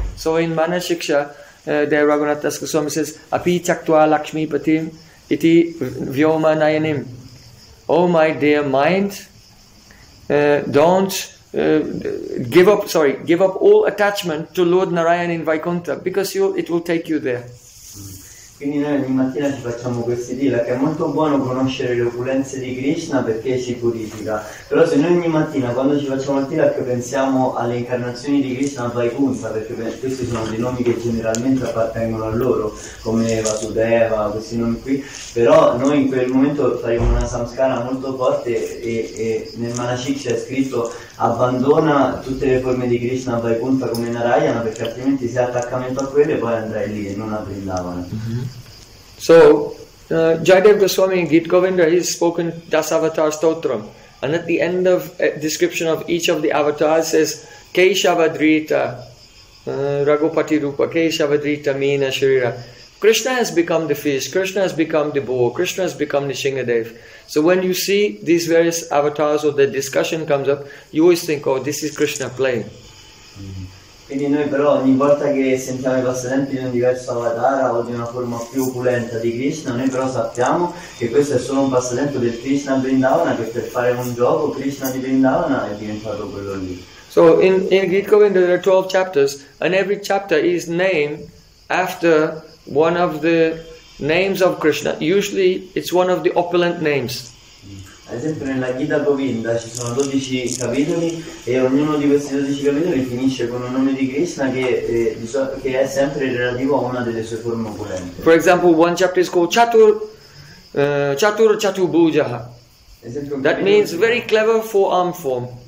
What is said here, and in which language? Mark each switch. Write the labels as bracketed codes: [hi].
[en] So in Mana Shiksha, there Raghunath Das Goswami says, [sa] Api Chaktua Lakshmi Patim Iti Vyoma Nayanim. [en] Oh my dear mind, give up all attachment to Lord Narayan in Vaikuntha, because it will take you there. [it] Quindi noi ogni mattina ci facciamo questi dila, che è molto buono conoscere le opulenze di Krishna perché ci purifica. Però se noi ogni mattina quando ci facciamo il tila che pensiamo alle incarnazioni di Krishna a Vaikuntha, perché questi sono dei nomi che generalmente appartengono a loro, come Vasudeva, questi nomi qui, però noi in quel momento faremo una samskara molto forte e nel Manashiksha è scritto abbandona tutte le forme di Krishna a Vaikuntha come Narayana, perché altrimenti se attaccamento a quelle poi andrai lì e non a Vrindavana. [en] So, Jayadev Goswami in Gita Govinda, he has spoken Dasavatar Stotram. And at the end of description of each of the avatars says, [sa] Keshavadrita Raghupati Rupa, Keshavadrita Meena Sharira. [en] Krishna has become the fish, Krishna has become the boar, Krishna has become the Shingadev. So when you see these various avatars or the discussion comes up, you always think, oh, this is Krishna playing. [it] Quindi noi però ogni volta che sentiamo i passatempi di un diverso avatar o di una forma più opulenta di Krishna, noi però sappiamo che questo è solo un passatempo del Krishna Vrindavana, che per fare un gioco Krishna di Vrindavana è diventato quello lì. [en] So in Gita Govinda there are 12 chapters and every chapter is named after one of the names of Krishna. Usually it's one of the opulent names. [it] Ad esempio nella Gita Govinda ci sono 12 capitoli e ognuno di questi 12 capitoli finisce con un nome di Krishna che è sempre relativo a una delle sue forme opulente. [en] For example, one chapter is called Chatur Chatubhujaha. That means very clever four-armed form.